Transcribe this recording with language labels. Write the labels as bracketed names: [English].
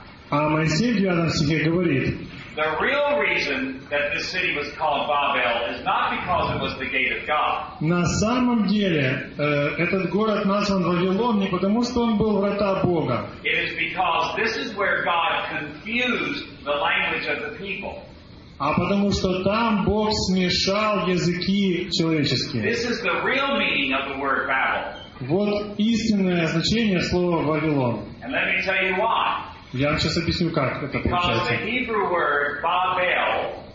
[Russian] А Моисей в 9 стихе говорит: [English] the real reason that this city was called Babel is not because it was the gate of God. [Russian] На самом деле, этот город назван Вавилон не потому, что он был врата Бога. [English] It is because this is where God confused the language of the people. [Russian] А потому что там Бог смешал языки человеческие. [English] This is the real meaning of the word Babel. [Russian] Вот истинное значение слова Вавилон. [English] And let me tell you why. [Russian] Я вам сейчас объясню, как это получается.